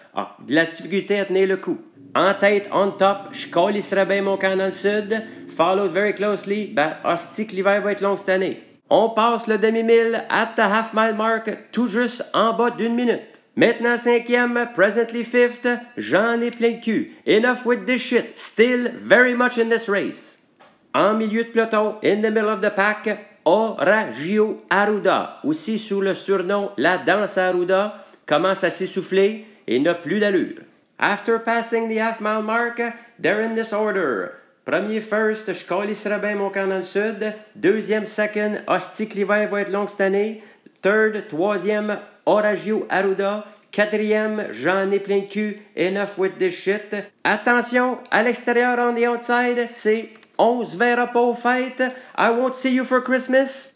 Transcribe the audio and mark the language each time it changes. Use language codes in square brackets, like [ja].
[fr] Ah, de la difficulté à tenir le coup. En tête, [en] on top, [fr] je colisserai bien mon camp dans le sud. [en] Followed very closely, [fr] ben, hostie que l'hiver va être long cette année. On passe le demi-mille [en] at the half-mile mark, [fr] tout juste en bas d'une minute. Maintenant cinquième, [en] presently fifth, [fr] j'en ai plein le cul. [en] Enough with this shit, still very much in this race. [fr] En milieu de peloton, [en] in the middle of the pack, [fr] Horagio Arruda, aussi sous le surnom La Danse Arruda, commence à s'essouffler et n'a plus d'allure. [en] After passing the half mile mark, they're in this order. [fr] Premier first, je colisserai bien mon camp dans le sud. Deuxième second, hostie que l'hiver va être long cette année. Third, troisième, Horagio Arruda, quatrième, j'en ai plein de cul, [en] enough with this shit. [fr] Attention, à l'extérieur, [en] on the outside, [fr] c'est on se verra pas aux fêtes, [en] I won't see you for Christmas.